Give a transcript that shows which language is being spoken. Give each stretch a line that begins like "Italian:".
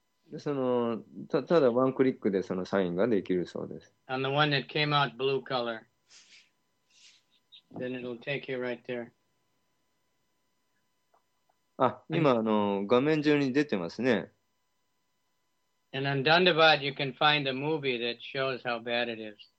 Japanese: でその ただワンクリックでそのサインができるそうです。
English: On the one that came out blue color. Then it'll take you right there.
Japanese: あ、今あの画面上に出てますね。
English: And on Dhandabad you can find a movie that shows how bad it is.